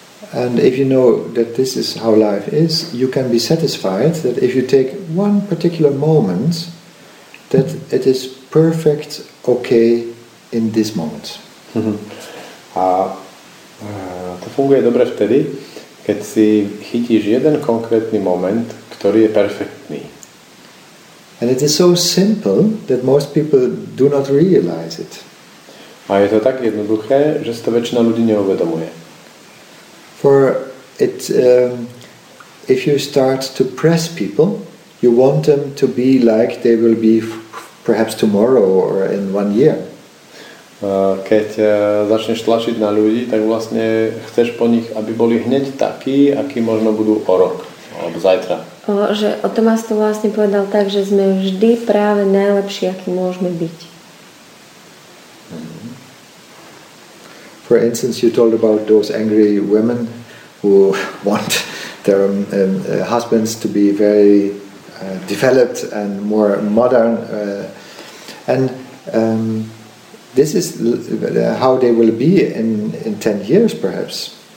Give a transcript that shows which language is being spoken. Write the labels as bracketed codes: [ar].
[en] And if you know that this is how life is, you can be satisfied that if you take one particular moment, that it is perfect, okay in this moment. [sk] A to funguje dobre vtedy, keď si chytíš jeden konkrétny moment, ktorý je perfektný. [en] And it is so simple that most people do not realize it. [sk] A je to tak jednoduché, že si to väčšina ľudí neuvedomuje. [en] For it if you start to press people, you want them to be like they will be perhaps tomorrow or in one year. [sk] Keď začneš tlačiť na ľudí, tak vlastne chceš po nich, aby boli hneď takí, akí možno budú o rok alebo zajtra. Že o Tomás to vlastne povedal tak, že sme vždy práve najlepší, aký môžeme byť. [en] For instance, you told about those angry women who want their husbands to be very developed and more modern, and this is how they will be in 10 years perhaps.